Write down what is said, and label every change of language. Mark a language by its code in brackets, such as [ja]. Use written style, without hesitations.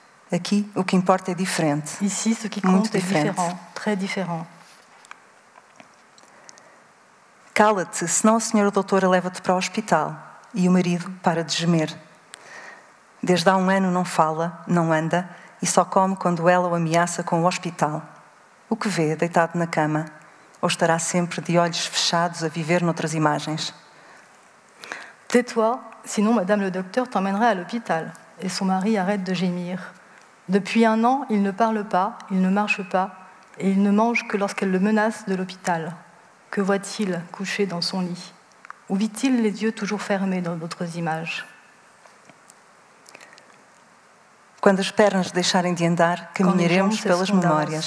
[pt] Aqui o que importa é diferente. [fr] Ici ce qui compte est différent, très différent. [pt] Cala-te, senão a senhora doutora leva-te para o hospital. E o marido para de gemer. Desde há um ano não fala, não anda, e só come quando ela o ameaça com o hospital. O que vê, deitado na cama? Ou estará sempre de olhos fechados a viver noutras imagens? [fr] Tais-toi, senão madame le docteur t'emmènera à l'hôpital. E son mari arrête de gémir. Depuis un an, il ne parle pas, il ne marche pas, et il ne mange que lorsqu'elle le menace de l'hôpital. Que voit-il couché dans son lit? Où vit-il les yeux toujours fermés dans d'autres images? [pt] Quando as pernas deixarem de andar, caminharemos pelas memórias.